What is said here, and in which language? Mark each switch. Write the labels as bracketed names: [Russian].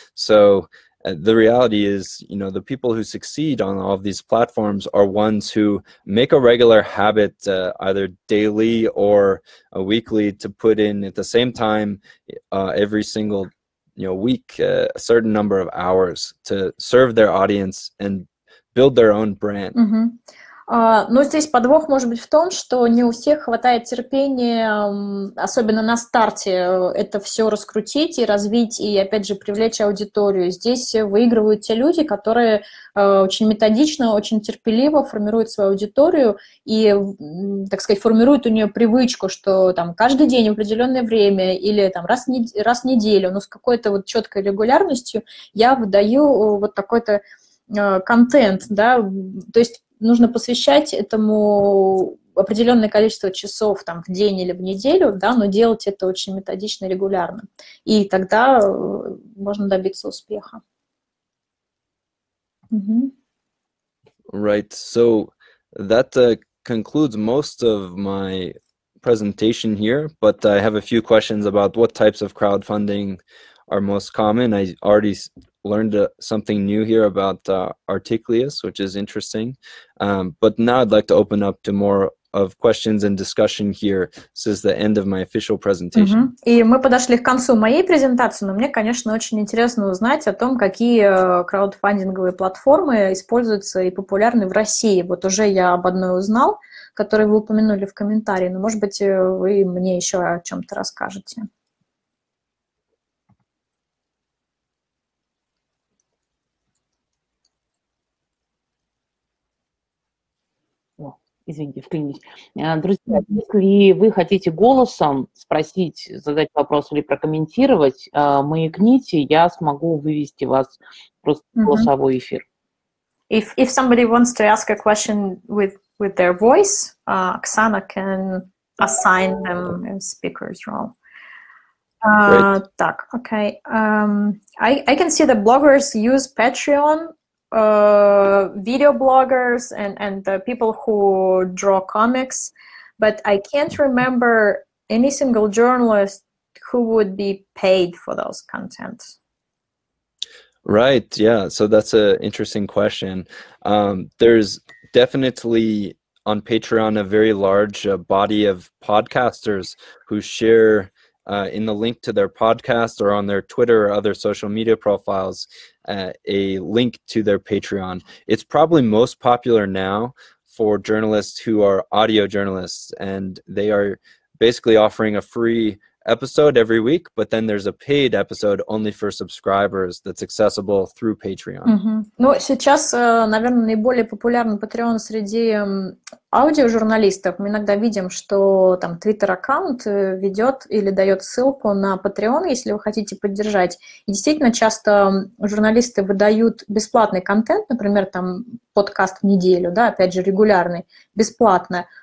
[English] So the reality is, you know, the people who succeed on all of these platforms are ones who make a regular habit, either daily or a weekly, to put in at the same time every single, you know, week, a certain number of hours to serve their audience and build their own brand. Mm-hmm. [Russian] Но здесь подвох может быть в том, что не у всех хватает терпения, особенно на старте, это все раскрутить и развить, и опять же привлечь аудиторию. Здесь выигрывают те люди, которые очень методично, очень терпеливо формируют свою аудиторию и, так сказать, формируют у нее привычку, что там каждый день в определенное время или там раз в неделю, но с какой-то вот четкой регулярностью я выдаю вот такой-то контент, да, то есть нужно посвящать этому определенное количество часов там, в день или в неделю, да, но делать это очень методично, регулярно. И тогда можно добиться успеха. Mm-hmm. [English] Right. So that concludes most of my presentation here, but I have a few questions about what types of crowdfunding are most common. I already learned something new here about Articleus, which is interesting. But now I'd like to open up to more of questions and discussion here. This is the end of my official presentation. Mm-hmm. [Russian] И мы подошли к концу моей презентации, но мне, конечно, очень интересно узнать о том, какие краудфандинговые платформы используются и популярны в России. Вот уже я об одной узнал, которую вы упомянули в комментарии, но, может быть, вы мне еще о чем-то расскажете. Извините, вклинись. Друзья, если вы хотите голосом спросить, задать вопрос или прокомментировать, маякните, я смогу вывести вас просто в голосовой эфир. [English] If somebody wants to ask a question with their voice, Оксана can assign them a speaker's role. [Russian] Так, окей. [English] I can see the bloggers use Patreon. Video bloggers and the people who draw comics, but I can't remember any single journalist who would be paid for those content. Right, yeah, so that's an interesting question. There's definitely on Patreon a very large body of podcasters who share in the link to their podcast or on their Twitter or other social media profiles, a link to their Patreon. It's probably most popular now for journalists who are audio journalists, and they are basically offering a free episode every week, but then there's a paid episode only for subscribers that's accessible through Patreon. Mm-hmm. [Russian] Ну, сейчас, наверное, наиболее популярный Patreon среди аудиожурналистов. Мы иногда видим, что там Twitter-аккаунт ведет или дает ссылку на Patreon, если вы хотите поддержать. И действительно, часто журналисты выдают бесплатный контент, например, там подкаст в неделю, да, опять же, регулярный, бесплатно.